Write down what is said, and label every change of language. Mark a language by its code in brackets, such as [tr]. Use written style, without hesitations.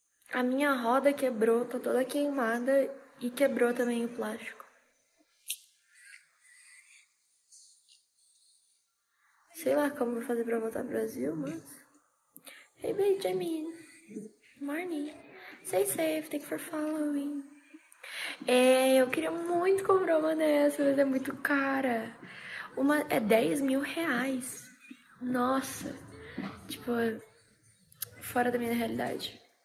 [pt] A minha roda quebrou, tá toda queimada e quebrou também o plástico. Sei lá como vou fazer pra voltar pro Brasil, mas... [en] Hey, Benjamin. Morning. Stay safe, thank you for following. [pt] É, eu queria muito comprar uma dessa, mas é muito cara. Uma é R$10.000. Nossa. Tipo, fora da minha realidade.